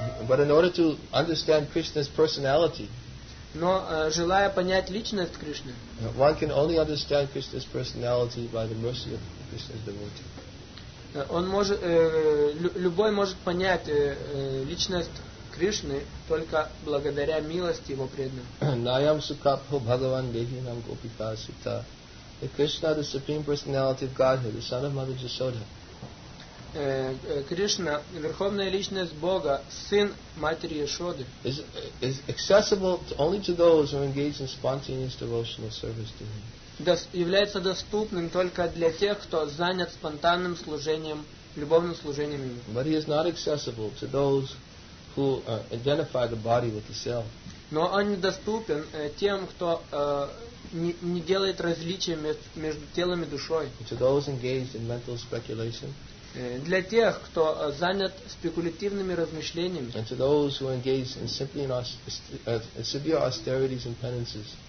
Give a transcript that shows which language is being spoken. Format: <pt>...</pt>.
<en>But in order to understand Krishna's personality,</en> <ru>но желая понять личность Кришны,</ru> <en>one can only understand Krishna's personality by the mercy of Krishna's devotee.</en> <ru>Он может, любой может понять личность Кришны только благодаря милости его преданным.</ru> <sa>Nayam sukapho bhagavan devinam gopita sita.</sa> <en>The Krishna, the Supreme Personality of Godhead, the Son of Mother Jashoda.</en> <ru>Krishna, Верховная Личность Бога, Сын Матери Яшоды.</ru> <en>Is accessible to only to those who are engaged in spontaneous devotional service to Him.</en> <ru>Является доступным только для тех, кто занят спонтанным служением, любовным служением Ему.</ru> <en>But He is not accessible to those who identify the body with the self.</en> <ru>Но Он недоступен тем, кто не делает различия между телом и душой.</ru> <en>To those engaged in mental speculation.</en> <ru>Для тех, кто занят спекулятивными размышлениями.</ru> <en>And to those who engage in simply in severe austerities and penances.</en>